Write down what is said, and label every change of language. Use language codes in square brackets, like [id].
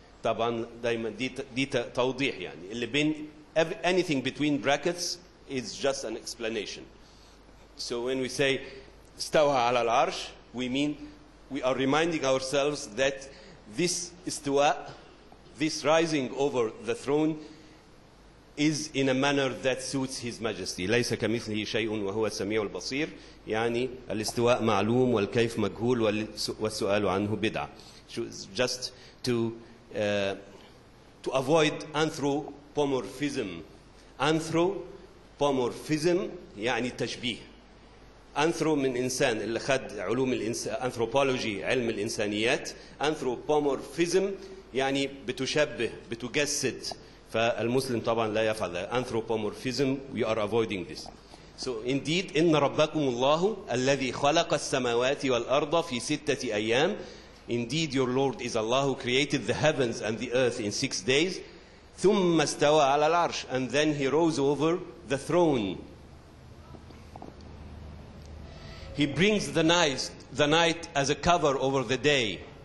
[ar] Taban daima dita tawdih yani. [en] Anything between brackets is just an explanation. So when we say stawa al-arsh, we mean we are reminding ourselves that this istawa, this rising over the throne, is in a manner that suits His Majesty. [ar] ليس كمثله شيء وهو السميع البصير. يعني الاستواء معلوم والكيف مجهول والسؤال عنه بدعة. [en] Just to avoid anthropomorphism. [ar] Anthropomorphism يعني تشبيه. Anthro من إنسان اللي خد علوم الإنسان anthropology علم الإنسانيات. Anthropomorphism يعني بتشبه بتجسد. فالمسلم طبعا لا يفعل anthropomorphism. [en] We are avoiding this. So indeed, [ar] إن ربكم الله الذي خلق السماوات والأرض في ستة أيام. [en] Indeed, your Lord is Allah who created the heavens and the earth in 6 days. [ar] ثم استوى على العرش. [en] And then He rose over the throne. He brings the night as a cover over the day.